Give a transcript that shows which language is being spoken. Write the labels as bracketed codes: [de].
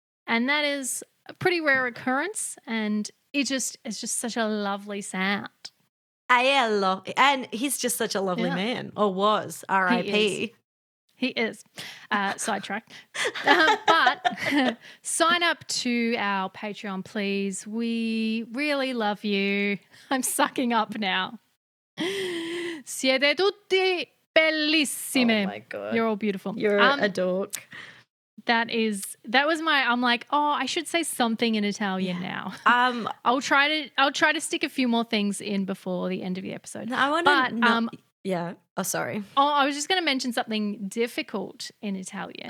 [en] And that is a pretty rare occurrence and it's just such a lovely sound. Aiello. And he's just such a lovely man, or was, R.I.P. He is. Sidetracked. But sign up to our Patreon, please. We really love you. I'm sucking up now. [it] Siete tutti bellissime. [en] Oh, my God. You're all beautiful. You're a dork. That was my, I'm like, oh, I should say something in Italian now. I'll try to stick a few more things in before the end of the episode. I want to, Oh, sorry. Oh, I was just going to mention something difficult in Italian.